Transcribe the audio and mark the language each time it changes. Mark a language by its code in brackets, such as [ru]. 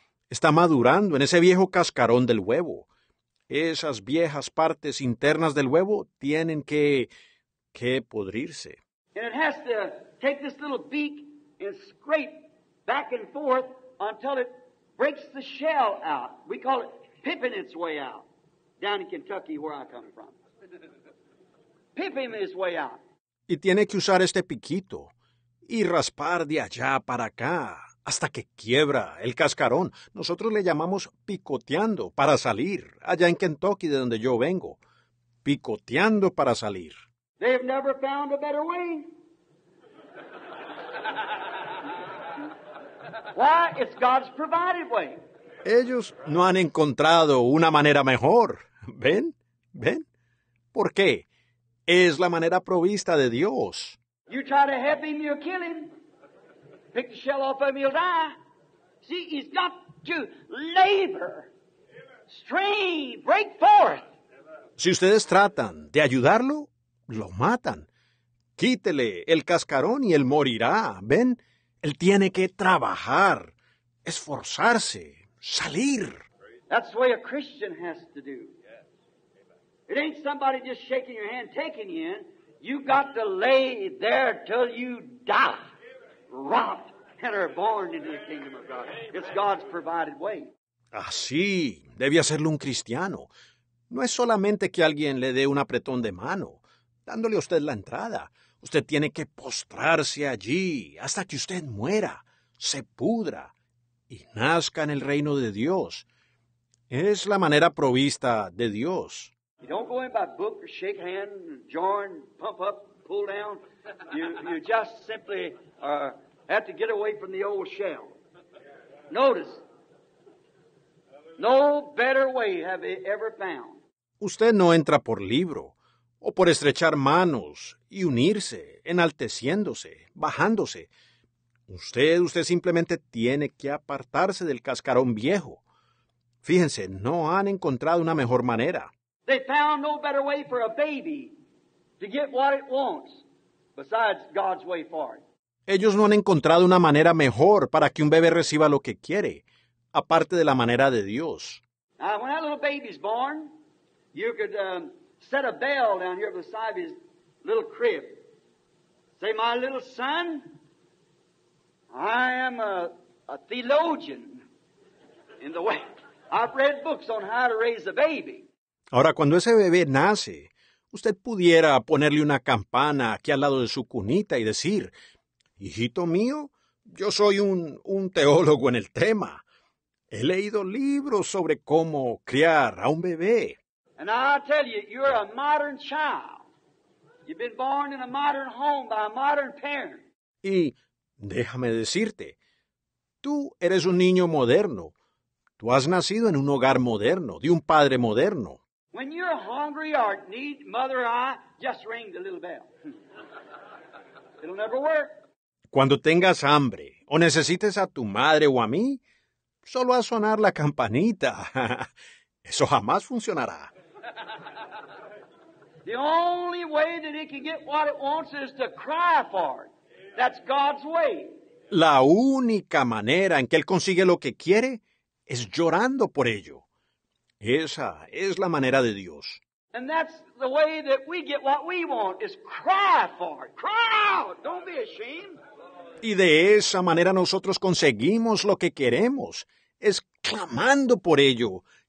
[es] Está madurando en ese viejo cascarón del huevo. Esas viejas partes internas del huevo tienen que podrirse. [en] And it has to take this little beak and scrape back and forth until it breaks the shell out. We call it pipping its way out down in Kentucky where I come from. Pipping its way out. [es] Y tiene que usar este piquito y raspar de allá para acá hasta que quiebra el cascarón. Nosotros le llamamos picoteando para salir, allá en Kentucky, de donde yo vengo. Picoteando para salir. [en] They've never found a better way. Why? It's God's provided way. [es] Ellos no han encontrado una manera mejor. ¿Ven? ¿Ven? ¿Por qué? Es la manera provista de Dios. [en] You try to help him, you'll kill him. Pick the shell off of him, he'll die. See, he's got to labor, strain, break forth. [es] Si ustedes tratan de ayudarlo, lo matan. Quítele el cascarón y él morirá. ¿Ven? Él tiene que trabajar, esforzarse, salir. [en] That's the way a Christian has to do. It ain't somebody just shaking your hand, taking you in. You got to lay there till you die, rot, and are born into the kingdom of God. It's God's provided way. [es] Así debe hacerlo un cristiano. No es solamente que alguien le dé un apretón de mano, dándole a usted la entrada. Usted tiene que postrarse allí hasta que usted muera, se pudra y nazca en el reino de Dios. Es la manera provista de Dios. [en] You don't go in by book or shake hand, join, pump up, pull down. You just simply have to get away from the old shell. Notice, no better way have you ever found. [es] Usted no entra por libro o por estrechar manos y unirse, enalteciéndose, bajándose. Usted simplemente tiene que apartarse del cascarón viejo. Fíjense, no han encontrado una mejor manera. [en] They found no better way for a baby to get what it wants besides God's way for it. [es] Ellos no han encontrado una manera mejor para que un bebé reciba lo que quiere, aparte de la manera de Dios. [en] Now, when that little baby's born, you could set a bell down here beside his little crib. Say, my little son, I am a theologian in the way. I've read books on how to raise a baby. [es] Ahora, cuando ese bebé nace, usted pudiera ponerle una campana aquí al lado de su cunita y decir, hijito mío, yo soy un teólogo en el tema. He leído libros sobre cómo criar a un bebé. [en] And I tell you, you're a modern child. You've been born in a modern home by a modern parent. [es] Y déjame decirte, tú eres un niño moderno. Tú has nacido en un hogar moderno, de un padre moderno. [en] When you're hungry or need mother or I, just ring the little bell. It'll never work. [es] Cuando tengas hambre o necesites a tu madre o a mí, solo haz sonar la campanita. Eso jamás funcionará. [en] The only way that it can get what it wants is to cry for it. That's God's way. [es] La única manera en que él consigue lo que quiere es llorando por ello. Esa es la manera de Dios. [en] And that's the way that we get what we want, is cry for it. Cry out! Don't be ashamed. [es] Y de esa manera nosotros conseguimos lo que queremos, es clamando por ello.